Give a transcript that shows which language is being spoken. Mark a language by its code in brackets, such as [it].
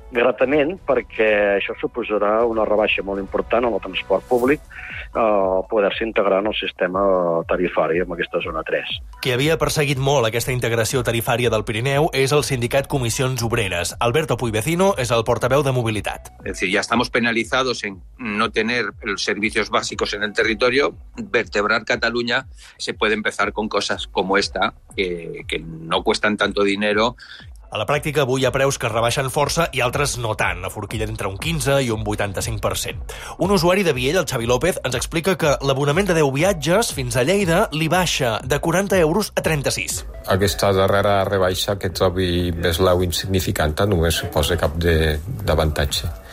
[ca] Gratament, perquè això suposarà una rebaixa molt important en el transport públic, poder-se integrar en el sistema tarifària en aquesta zona 3. Qui havia perseguit molt aquesta integració tarifària del Pirineu és el sindicat Comissions Obreres. Alberto Puyvecino és el portaveu de mobilitat. [es] Es decir, ya estamos penalizados en no tener los servicios básicos en el territorio. Vertebrar Cataluña se puede empezar con cosas como esta, que no cuestan tanto dinero. [ca] A la pràctica, avui hi ha preus que es rebaixen força i altres no tant, a forquilla entre un 15 i un 85%. Un usuari de Viella, el Xavi López, ens explica que l'abonament de 10 viatges fins a Lleida li baixa de 40 euros a 36. Aquesta darrera rebaixa que trobi més l'au insignificant només suposa cap d'avantatge.